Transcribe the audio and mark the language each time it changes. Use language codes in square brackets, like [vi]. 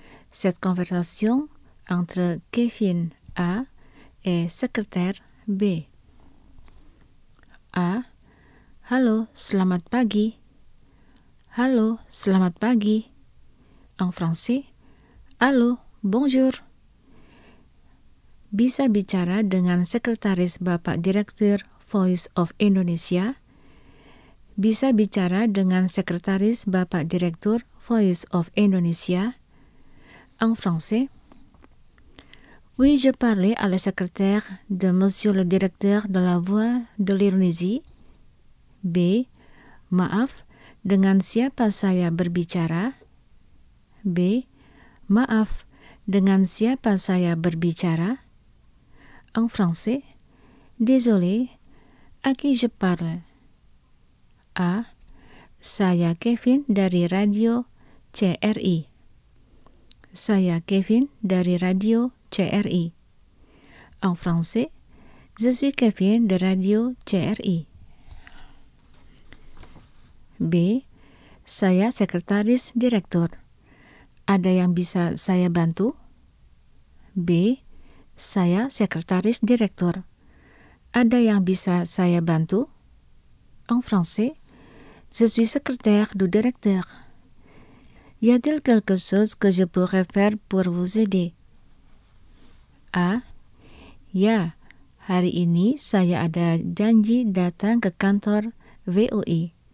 [fr] Cette conversation entre Kevin A et secrétaire B. A. [id] Hello, selamat pagi. Hello, selamat pagi. [fr] En français, allô, bonjour. [id] Bisa bicara dengan sekretaris Bapak Direktur Voice of Indonesia? Bisa bicara dengan sekretaris Bapak Direktur Voice of Indonesia? [fr] En français? Oui, je parle à la secrétaire de Monsieur le Directeur de la Voix de l'Indonésie. B. [id] Maaf, dengan siapa saya berbicara? B. Maaf, dengan siapa saya berbicara? [fr] En français, désolé, à qui je parle? A. [id] Saya Kevin dari Radio CRI. Saya Kevin dari Radio CRI. [fr] En français, je suis Kevin de Radio CRI. [id] B. Saya Sekretaris Direktur. Ada yang bisa saya bantu? B. Saya sekretaris direktur. Ada yang bisa saya bantu? [fr] En français, je suis secrétaire du directeur. Y a-t-il quelque chose que je pourrais faire pour vous aider? [id] A. Ya, hari ini saya ada janji datang ke kantor VOI.